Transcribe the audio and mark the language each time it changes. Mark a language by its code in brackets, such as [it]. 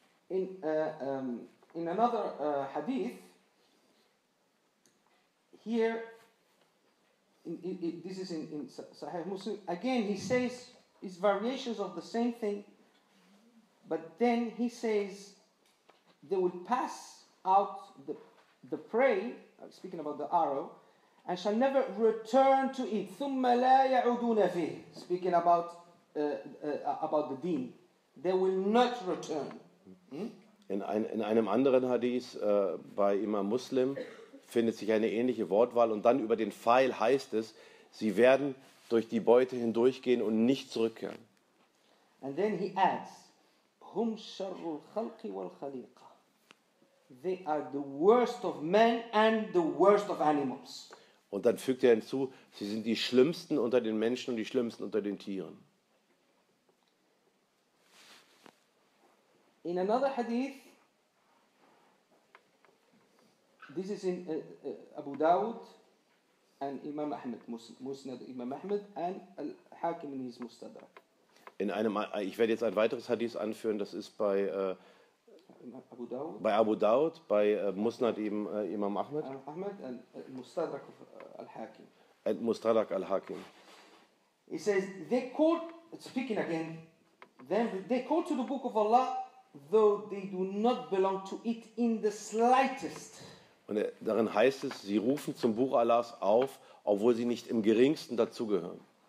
[en] In another hadith, here, this is in Sahih Muslim, again he says, it's variations of the same thing, but then he says, they will pass out the prey, speaking about the arrow, and shall never return to it. [ar] ثُمَّ لَا يَعُدُونَ فِيهِ, [en] speaking about about the deen, they will not return. [de] In einem anderen Hadith bei Imam Muslim findet sich eine ähnliche Wortwahl und dann über den Pfeil heißt es, sie werden durch die Beute hindurchgehen und nicht zurückkehren. [en] And then he adds, [ar] hum sharrul khalqi wal khaliqa. [en] They are the worst of men and the worst of animals. [de] Und dann fügt er hinzu, sie sind die schlimmsten unter den Menschen und die schlimmsten unter den Tieren. [en] In another hadith, this is in Abu Dawud and Imam Ahmed, Musnad Imam Ahmed and Al-Hakim in his Mustadrak. [de] In einem, ich werde jetzt ein weiteres Hadith anführen, das ist bei Abu Dawud, bei Abu Dawud, bei Musnad eben, Imam Ahmed. [en] Ahmed and Mustadrak of Al-Hakim. And Mustadrak Al-Hakim. He says, they call, speaking again, then they call to the Book of Allah, though they do not belong to it in the slightest. [de] Und darin heißt es, sie rufen zum Buch Allahs auf, obwohl sie nicht im geringsten dazugehören.